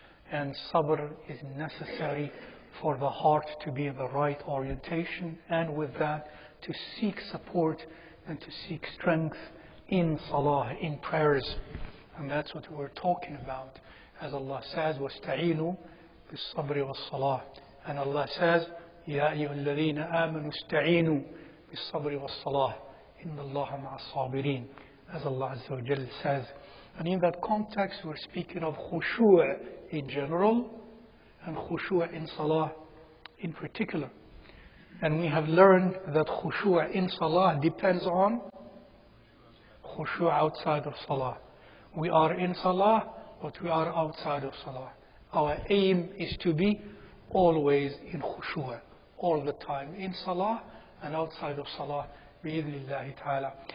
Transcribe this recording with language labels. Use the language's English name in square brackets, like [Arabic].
[English] And sabr is necessary for the heart to be in the right orientation, and with that to seek support and to seek strength in salah, in prayers. And that's what we're talking about. As Allah says, [Arabic] وَاسْتَعِينُوا بِالصَّبْرِ وَالصَّلَاةِ. [English] And Allah says, [Arabic] يَا أَيُّهَا الَّذِينَ آمَنُوا اسْتَعِينُوا بِالصَّبْرِ وَالصَّلَاةِ إِنَّ اللَّهَ مَعَ الصَّابِرِينَ, [English] as Allah Azza wa Jal says. And in that context, we're speaking of khushu' in general and khushu' in salah in particular. And we have learned that khushu' in salah depends on khushu' outside of salah. We are in salah, but we are outside of salah. Our aim is to be always in khushu', all the time in salah and outside of salah, bi-idhnillahi ta'ala.